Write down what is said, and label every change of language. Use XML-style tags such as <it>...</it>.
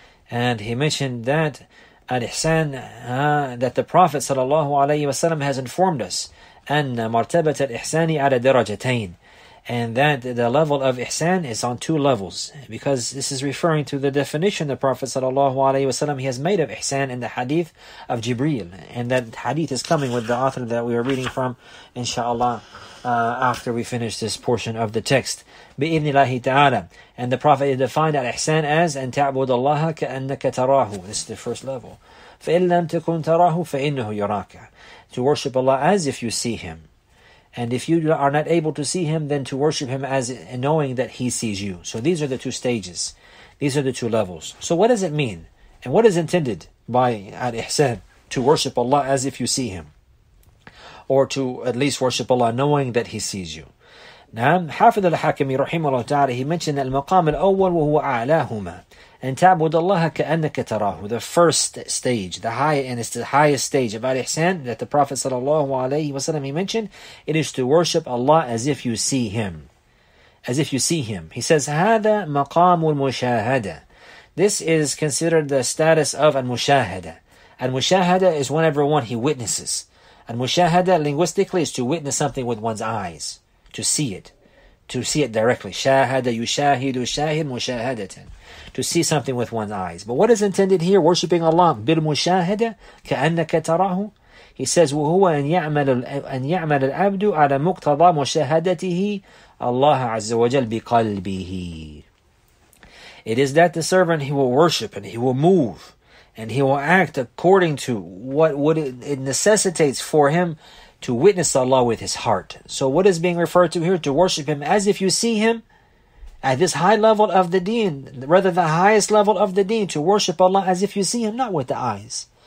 <en>And he mentioned that al-Ihsan, that the Prophet sallallahu alayhi wasallam has informed us,</en> <ar>أَنَّ مَرْتَبَةَ الْإِحْسَانِ عَلَى دَرَجَتَيْنِ,</ar> <en>and that the level of Ihsan is on two levels, because this is referring to the definition the Prophet sallallahu alaihi wasallam he has made of Ihsan in the hadith of Jibreel, and that hadith is coming with the author that we are reading from, inshallah, after we finish this portion of the text. Bi'idhnillahi ta'ala. And the Prophet defined al-Ihsan as</en> <ar>أن تعبد الله كأنك تراه.</ar> <en>This is the first level.</en> <ar>فإن لم تكن تراه فإنه يراك.</ar> <en>To worship Allah as if you see Him. And if you are not able to see Him, then to worship Him as knowing that He sees you. So these are the two stages. These are the two levels. So what does it mean? And what is intended by al-Ihsan? To worship Allah as if you see Him. Or to at least worship Allah knowing that He sees you. Now, Hafidh al-Hakimi, rahimahullah ta'ala, he mentioned that</en> <ar>al-maqam al-awwal wa huwa a'lahuma.</ar> <en>And</en> <ar>ta'bud Allah ka'annaka tarahu.</ar> <en>The first stage, the high, and it's the highest stage of al-Ihsan that the Prophet sallallahu alayhi wa sallam, he mentioned, it is to worship Allah as if you see Him. As if you see Him. He says,</en> <ar>هذا مقام المشاهدة.</ar> <en>This is considered the status of al-mushahada. Al-mushahada is whenever one he witnesses. Al-mushahada linguistically is to witness something with one's eyes. To see it directly. Shahada yushahidu shahid mushahadatan. To see something with one's eyes. But what is intended here? Worshipping Allah.</en> <ar>Bil mushahada ka'annaka tarahu.</ar> <en>He says,</en> <ar>وَهُوَ أَنْ يَعْمَلَ الْعَبْدُ عَلَى مُقْتَضَى مُشَاهَدَتِهِ اللَّهَ عَزَّ وَجَلْ بِقَلْبِهِ.</ar> <en>It is that the servant, he will worship and he will move and he will act according to what it necessitates for him to witness Allah with his heart. So what is being referred to here? To worship Him as if you see Him at this high level of the deen, rather the highest level of the deen, to worship Allah as if you see Him, not with the eyes.</en>